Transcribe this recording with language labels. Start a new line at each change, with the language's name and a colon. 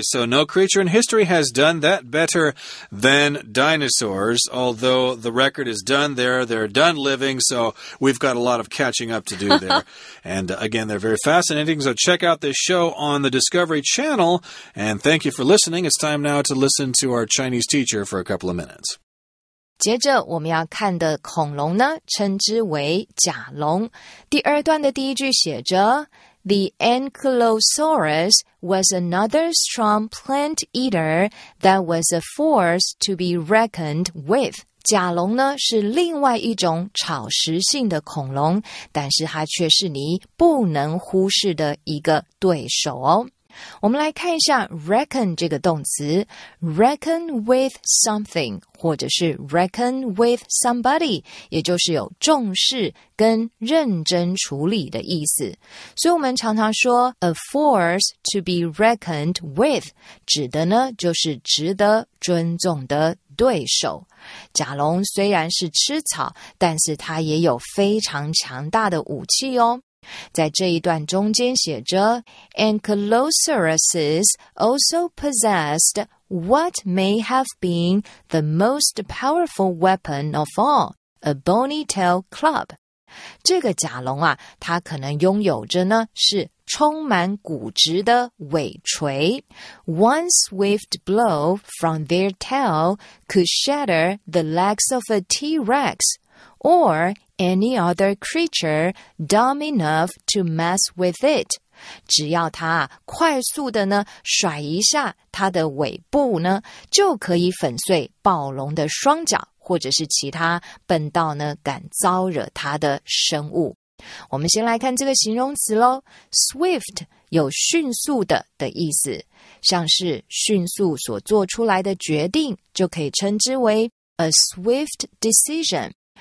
English: So no creature in history has done that better than dinosaurs, although the record is done there. They're done living, so we've got a lot of catching up to do there. And again, they're very fascinating, so check out this show on the Discovery Channel. And thank you for listening. It's time now to listen to our Chinese teacher for a couple of minutes.
Chinese: 接着我们要看的恐龙呢，称之为甲龙。第二段的第一句写着
English: The Ankylosaurus was another strong plant eater that was a force to be reckoned with.
Chinese: 甲龙呢是另外一种草食性的恐龙，但是它却是你不能忽视的一个对手哦。我们来看一下 reckon 这个动词
English: reckon with something
Chinese: 或者是
English: reckon with somebody
Chinese: 也就是有重视跟认真处理的意思所以我们常常说
English: a force to be reckoned with
Chinese: 指的呢就是值得尊重的对手甲龙虽然是吃草但是它也有非常强大的武器哦在这一段中间写着
English: Ankylosauruses also possessed what may have been the most powerful weapon of all, a bony tail club.
Chinese: 这个甲龙啊它可能拥有着呢是充满骨质的尾锤。
English: One swift blow from their tail could shatter the legs of a T-Rex, or... any other creature dumb enough to mess with it.
Chinese: 只要它快速的呢甩一下它的尾部呢就可以粉碎暴龙的双脚或者是其他笨到呢敢招惹它的生物。我们先来看这个形容词咯。 Swift 有迅速的意思。像是迅速所做出来的决定就可以称之为
English: a swift decision.